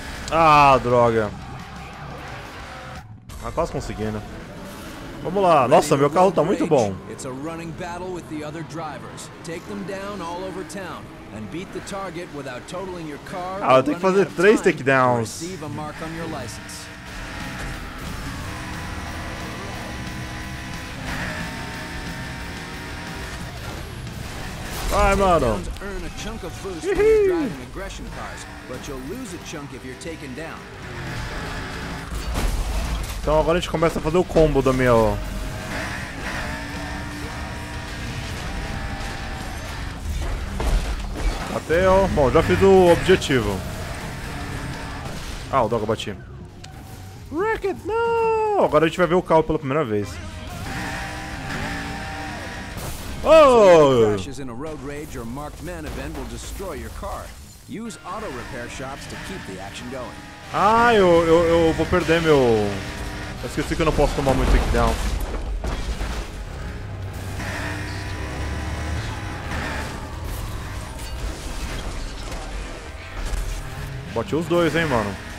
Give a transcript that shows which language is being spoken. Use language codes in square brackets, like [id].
[pt] Ah, droga. Tá quase conseguindo. Vamos lá, nossa, meu carro tá muito bom. [en] It's a running battle with the other drivers. Take them down all over town and beat the target without totaling your car. [pt] Ah, eu tenho que fazer 3 takedowns. [en] Receive a mark on your license. [pt] Vai, mano. [en] Earn a chunk of boost from driving aggression cars, but you'll lose a chunk if you're taken down. [pt] Então agora a gente começa a fazer o combo do meu. Bateu. Bom, já fiz o objetivo. Ah, o dog bati. Wrecked, não! Agora a gente vai ver o carro pela primeira vez. Oh! [en] Crashes in a road rage or marked man event will destroy your car. Use auto repair shops to keep the action going. [pt] Ah, eu vou perder meu. Eu esqueci que eu não posso tomar muito takedown. Bati os dois, hein, mano.